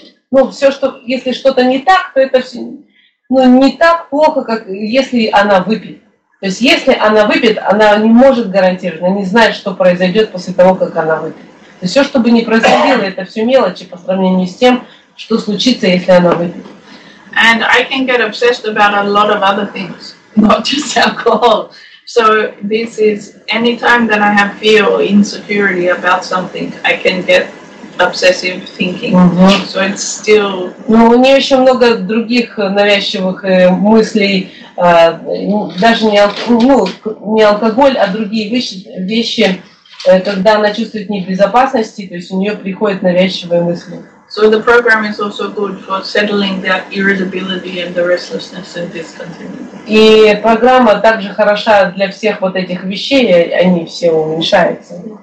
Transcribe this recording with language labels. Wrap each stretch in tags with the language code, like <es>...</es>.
<ru>Ну, все, что если что-то не так, то это все, ну, не так плохо, как если она выпьет. То есть если она выпьет, она не может гарантированно, не знает, что произойдет после того, как она выпьет. То есть все, что бы ни происходило, это все мелочи по сравнению с тем, что случится, если она выпьет.</ru> <en>And I can get obsessed about a lot of other things, not just alcohol. So this is any time that I have fear or insecurity about something, I can get obsessive thinking. Mm-hmm. So it's still.</en> <ru>Но у нее еще много других навязчивых мыслей, даже не алкоголь, а другие вещи, когда она чувствует небезопасности, то есть у нее приходят навязчивые мысли.</ru> <en>So the program is also good for settling that irritability and the restlessness and discontinuity.</en> <ru>И программа также хороша для всех вот этих вещей, они все уменьшаются.</ru>